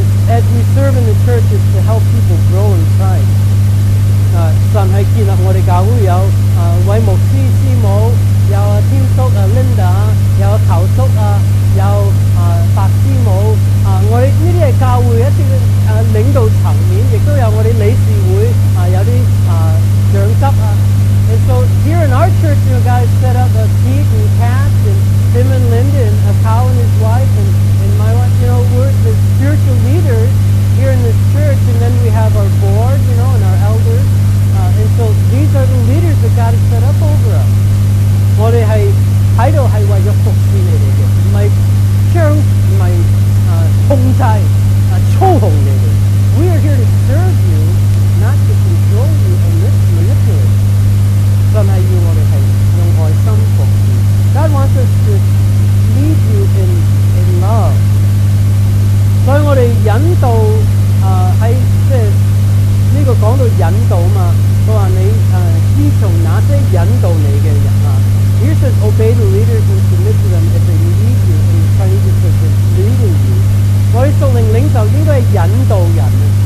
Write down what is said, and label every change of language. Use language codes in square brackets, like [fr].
[en] As we serve in the church, it's to help people grow in Christ. [zh] 神是建立我们教会有为牧师、师母，有天叔、Linda， 有头叔、有白师母。我们这些是教会一些领导层面，也都有我们理事会有些长执。 [en] And so here in our church, you guys set up a Pete and Kat and Tim and Linda and a cow and his wife and my wife. You know, we're the spiritual leaders here in this church. And then we have our board, you know, and our elders. And so these are the leaders that God has set up over us. [zh] 我们是在这是为了服侍你们的，不是枪，不是控制，操控你们。 [en] We are here to serve you, not to control you and manipulate you. [zh] 神是要我们是用爱心服侍。 [en] God wants us to lead you in love. [zh] 所以我们引导，在这个讲到引导嘛，他说你依从那些引导你的人啊。 [en] Here says, obey the leaders and submit to them as they lead you. In Chinese, it says, leading you. [zh] 我们属灵领袖应该是引导人。